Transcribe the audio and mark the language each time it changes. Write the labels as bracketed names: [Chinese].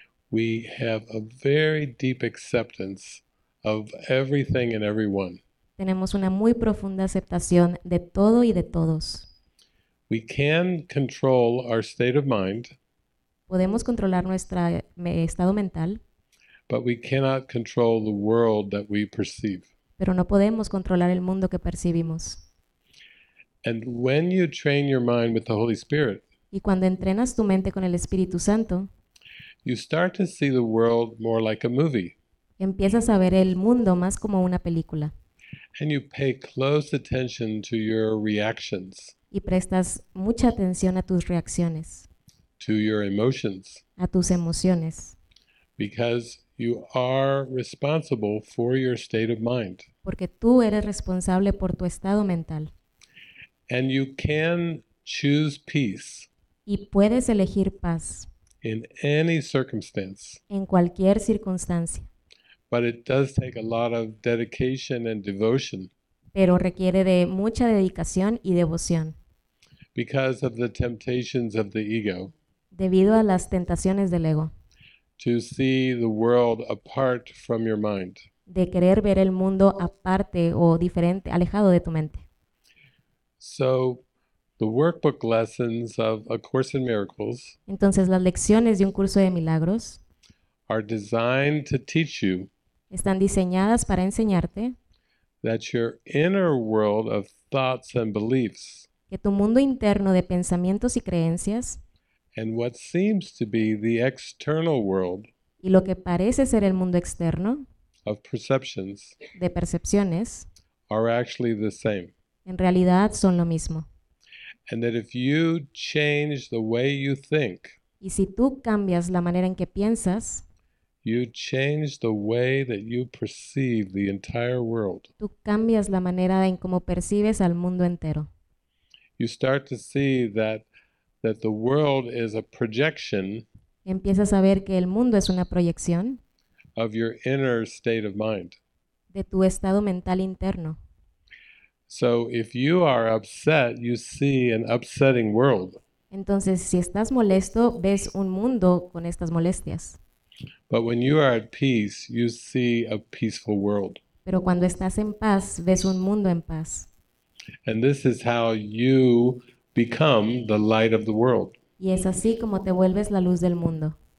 [English] we have a very deep acceptance of everything and everyone. [Spanish] tenemos una muy profunda aceptación de todo y de todos. [English] We can control our state of mind, [Spanish] Podemos controlar nuestro estado mental, [English] but we cannot control the world that we perceive. [Spanish] pero no podemos controlar el mundo que percibimos. [English] And when you train your mind with the Holy Spirit, [Spanish] Y cuando entrenas tu mente con el Espíritu Santo, [English] you start to see the world more like a movie. [Spanish] empiezas a ver el mundo más como una película. [English] And you pay close attention to your reactions, [Spanish] Y prestas mucha atención a tus reacciones, [English] to your emotions, [Spanish] a tus emociones, [English] because you are responsible for your state of mind. [Spanish] porque tú eres responsable por tu estado mental. [English] And you can choose peace [Spanish] Y puedes elegir paz [English] in any circumstance. [Spanish] en cualquier circunstancia. [English] But it does take a lot of dedication and devotion [Spanish] Pero requiere de mucha dedicación y devoción. [English] because of the temptations of the ego [Spanish] Debido a las tentaciones del ego. [English] to see the world apart from your mind. [Spanish] De querer ver el mundo aparte o diferente, alejado de tu mente. [English] So, the workbook lessons of A Course in Miracles [Spanish] Entonces, las lecciones de un curso de milagros [English] are designed to teach you [Spanish] están diseñadas para enseñarte [English] that your inner world of thoughts and beliefs [Spanish] que tu mundo interno de pensamientos y creencias [English] and what seems to be the external world [Spanish] y lo que parece ser el mundo externo [English] of perceptions [Spanish] de percepciones [English] are actually the same. [Spanish] en realidad son lo mismo. [English] And that if you change the way you think, [Spanish] Y si tú cambias la manera en que piensas, [English] you change the way that you perceive the entire world. [Spanish] tú cambias la manera en cómo percibes al mundo entero. [English] You start to see that the world is a projection [Spanish] Empiezas a ver que el mundo es una proyección [English] of your inner state of mind. [Spanish] de tu estado mental interno. [English] So if you are upset, you see an upsetting world. [Spanish] Entonces, si estás molesto, ves un mundo con estas molestias. [English] But when you are at peace, you see a peaceful world. [Spanish] Pero cuando estás en paz, ves un mundo en paz. [English] And this is how you become the light of the world. [Spanish] Y es así como te vuelves la luz del mundo.